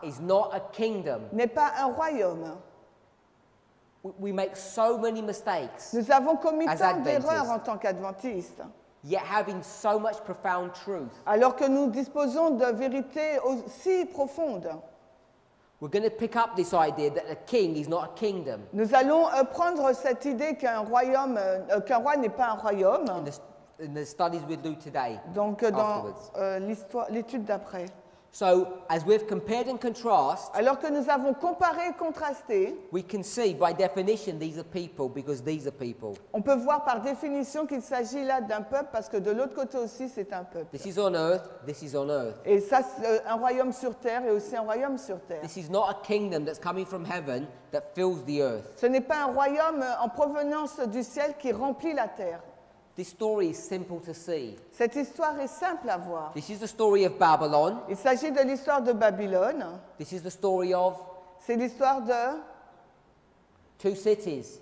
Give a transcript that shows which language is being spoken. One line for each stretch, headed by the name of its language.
English: Is not a kingdom.
French: N'est pas un royaume.
English: We make so many mistakes.
French: Nous avons commis tant d'erreurs en tant qu'adventistes.
English: Yet having so much profound truth.
French: Alors que nous disposons de vérités aussi profondes.
English: We're going to pick up this idea that a king is not a kingdom.
French: Nous allons prendre cette idée qu'un roi n'est pas un royaume.
English: In the studies we'll do today.
French: Donc dans l'étude d'après.
English: So as we've compared and contrasted,
French: alors que nous avons comparé et contrasté,
English: we can see by definition these are people because these are people.
French: On peut voir par définition qu'il s'agit là d'un peuple parce que de l'autre côté aussi c'est un peuple.
English: This is on earth, this is on earth.
French: Et ça c'est un royaume sur terre et aussi un royaume sur terre.
English: This is not a kingdom that's coming from heaven that fills the earth.
French: Ce n'est pas un royaume en provenance du ciel qui remplit la terre.
English: This story is simple to see.
French: Cette histoire est simple à voir.
English: This is the story of Babylon.
French: Il s'agit de l'histoire de Babylone.
English: This is the story of.
French: C'est l'histoire de.
English: Two cities.